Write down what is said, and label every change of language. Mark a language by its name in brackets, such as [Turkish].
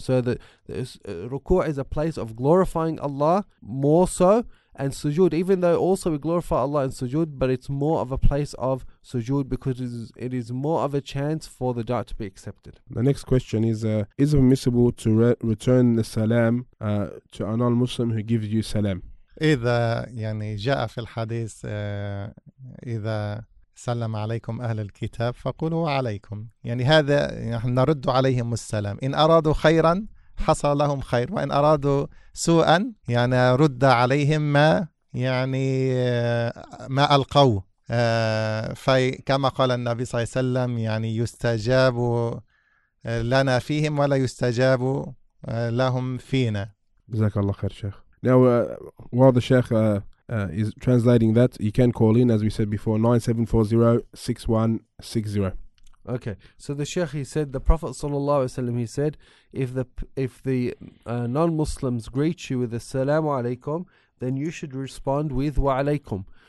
[English] So that ruku' is a place of glorifying Allah more so, and sujood, even though also we glorify Allah in sujood, but it's more of a place of sujood because it is more of a chance for the du'a to be accepted. The next question is it permissible to return the salam to a non-Muslim who gives you salam? [Arabic] إذا يعني جاء في الحديث إذا سلم عليكم أهل الكتاب فقولوا عليكم يعني هذا نحن نرد عليهم السلام إن أرادوا خيرا حصل لهم خير وإن أرادوا سوءا يعني رد عليهم ما يعني ما ألقوا فكما قال النبي صلى الله عليه وسلم يعني يستجاب لنا فيهم ولا يستجاب لهم فينا. جزاك الله خير شيخ. [English] Now, while the Sheikh is translating that, you can call in, as we said before, 9740-6160. Okay, so the Sheikh, he said, the Prophet [Arabic] sallallahu alaihi wasallam, [English] he said, if the non-Muslims greet you with [Arabic] assalamu alaikum, [English] then you should respond with [Arabic] wa alaikum.